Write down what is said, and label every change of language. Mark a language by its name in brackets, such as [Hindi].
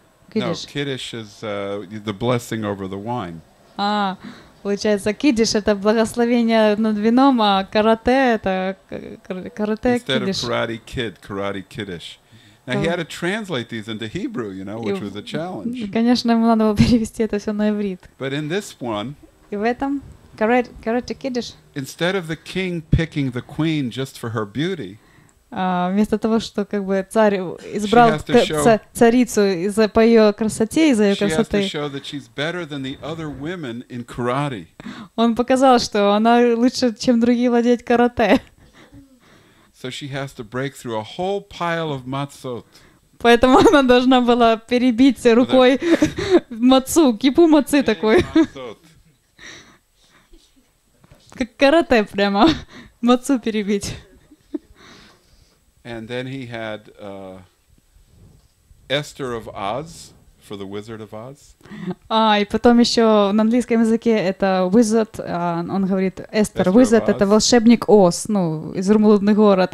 [English] Kiddish. No, Kiddish is the blessing over the wine. [Russian] Получается, кидиш — это благословение над вином, а карате — это карате кидиш. [English] Instead of karate kid, karate kiddish. Now he had to translate these into Hebrew, you know, which was a challenge. [Russian] Конечно, ему надо было перевести это все на иврит. [English] But in this one, [Russian] и в этом карате кидиш. [English] Instead of the king picking the queen just for her beauty, [Russian] вместо того, что как бы царь избрал царицу из-за по ее красоте, из-за ее красоты, [English] she has to show that she's better than the other women in karate. [Russian] Он показал, что она лучше, чем другие, владеет карате. [English] So she has to break through a whole pile of matzot. [Russian] Поэтому она должна была перебить рукой мацу, кипу мацы такой. Как карате прямо, мацу перебить. [English] And then he had Esther of Oz for the Wizard of Oz. [Russian] И потом еще на английском языке это Wizard, он говорит Esther. Wizard — это волшебник Оз, ну, из Румлудный город.